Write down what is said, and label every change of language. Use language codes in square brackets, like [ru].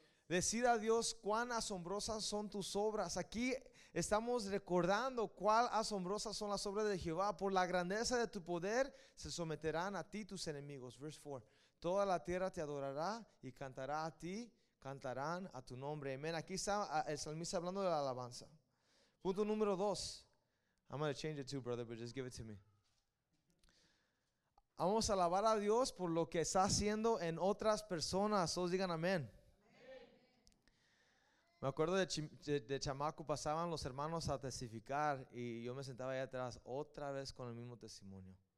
[es] Decid a Dios cuán asombrosas son tus obras. Aquí estamos recordando cuán asombrosas son las obras de Jehová. Por la grandeza de tu poder se someterán a ti tus enemigos. [en] Verse 4. [es] Toda la tierra te adorará y cantará a ti, cantarán a tu nombre. Amén. Aquí está el salmista hablando de la alabanza. Punto número 2. [en] I'm going to change it too, brother, but just give it to me. [es] Vamos a alabar a Dios por lo que está haciendo en otras personas. Todos digan amén. Me acuerdo de chamaco, pasaban los hermanos a testificar y yo me sentaba allá atrás otra vez con el mismo testimonio.